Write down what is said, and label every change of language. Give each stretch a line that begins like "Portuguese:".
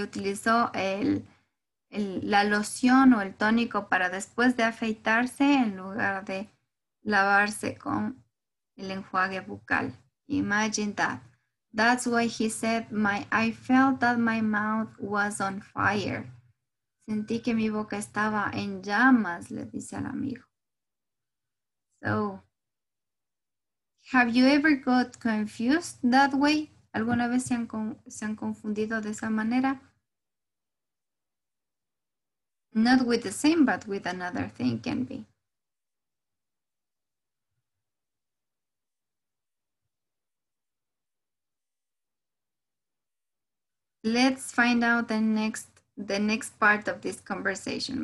Spanish: Utilizó la loción o el tónico para después de afeitarse en lugar de lavarse con el enjuague bucal.
English: Imagine that. That's why he said, I felt that my mouth was on fire.
Spanish: Sentí que mi boca estaba en llamas, le dice al amigo.
English: So, have you ever got confused that way?
Spanish: ¿Alguna vez se han confundido de esa manera?
English: Not with the same, but with another thing can be. Let's find out the next part of this conversation.